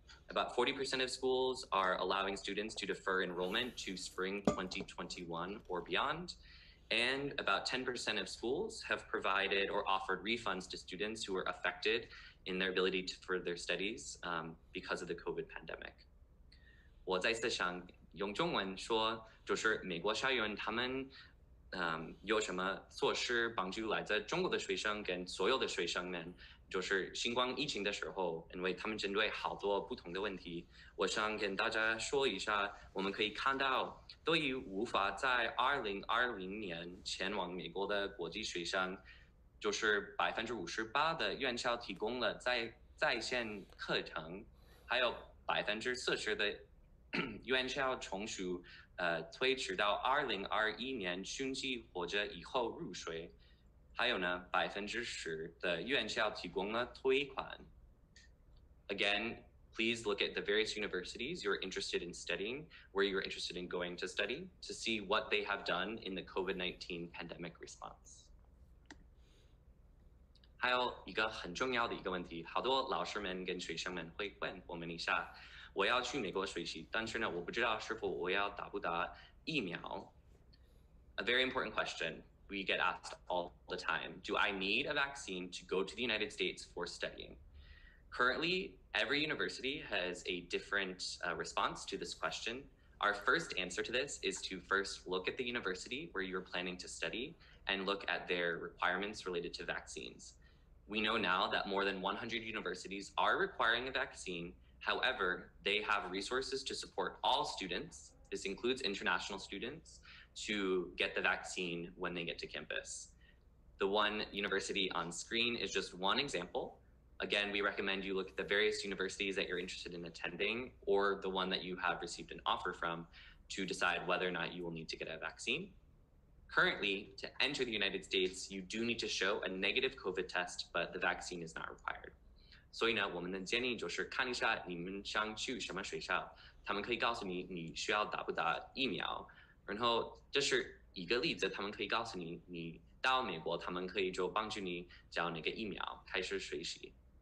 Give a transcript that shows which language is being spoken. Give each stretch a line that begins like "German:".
English: About 40% of schools are allowing students to defer enrollment to spring 2021 or beyond. And about 10% of schools have provided or offered refunds to students who were affected in their ability to further studies because of the COVID pandemic.
Chinese: 我再次想用中文说，就是美国校园他们有什么措施帮助来自中国的学生跟所有的学生们，就是新冠疫情的时候，因为他们针对好多不同的问题，我想跟大家说一下，我们可以看到，对于无法在2020年前往美国的国际学生，就是58%的院校提供了在线课程，还有40%的 院校重修，推迟到2021年春季或者以后入学。还有呢，10%的院校提供了退款。
English: Again, please look at the various universities you're interested in studying, where you're interested in going to study, to see what they have done in the COVID-19 pandemic response.
Chinese: 还有一个很重要的一个问题，好多老师们跟学生们会问我们一下，我要去美国学习，但是呢，我不知道是否我要打不打疫苗。
English: A very important question we get asked all the time. Do I need a vaccine to go to the United States for studying? Currently, every university has a different response to this question. Our first answer to this is to first look at the university where you're planning to study and look at their requirements related to vaccines. We know now that more than 100 universities are requiring a vaccine. However, they have resources to support all students, this includes international students, to get the vaccine when they get to campus. The one university on screen is just one example. Again, we recommend you look at the various universities that you're interested in attending or the one that you have received an offer from to decide whether or not you will need to get a vaccine. Currently, to enter the United States, you do need to show a negative COVID test, but the vaccine is not required.
Chinese: 所以呢，我们能建议就是看一下你们想去什么学校，他们可以告诉你你需要打不打疫苗，然后这是一个例子，他们可以告诉你你到美国，他们可以就帮助你交那个疫苗，开始学习。